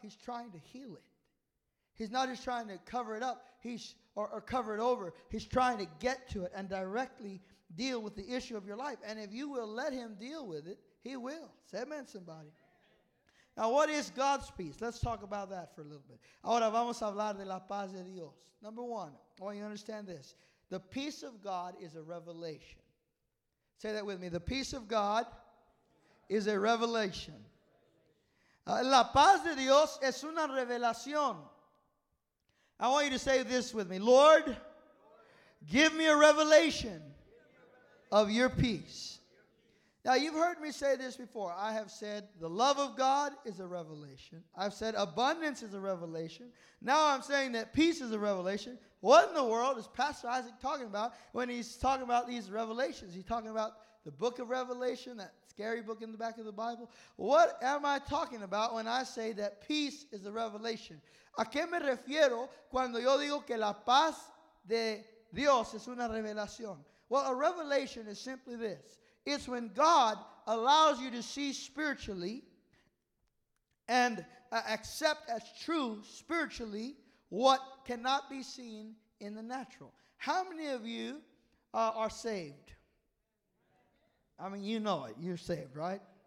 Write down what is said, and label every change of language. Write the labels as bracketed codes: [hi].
[en] He's trying to heal it. He's not just trying to cover it up or cover it over. He's trying to get to it and directly deal with the issue of your life. And if you will let him deal with it, he will. Say amen, somebody. Now, what is God's peace? Let's talk about that for a little bit. [es] Ahora vamos a hablar de la paz de Dios. [en] Number one, I want you to understand this. The peace of God is a revelation. Say that with me. The peace of God is a revelation. [es] La paz de Dios es una revelación. [en] I want you to say this with me. Lord, give me a revelation of your peace. Now, you've heard me say this before. I have said the love of God is a revelation. I've said abundance is a revelation. Now I'm saying that peace is a revelation. What in the world is Pastor Isaac talking about when he's talking about these revelations? He's talking about the book of Revelation, that scary book in the back of the Bible. What am I talking about when I say that peace is a revelation? [es] ¿A qué me refiero cuando yo digo que la paz de Dios es una revelación? [en] Well, a revelation is simply this. It's when God allows you to see spiritually and accept as true spiritually what cannot be seen in the natural. How many of you are saved? I mean, you know it. You're saved, right?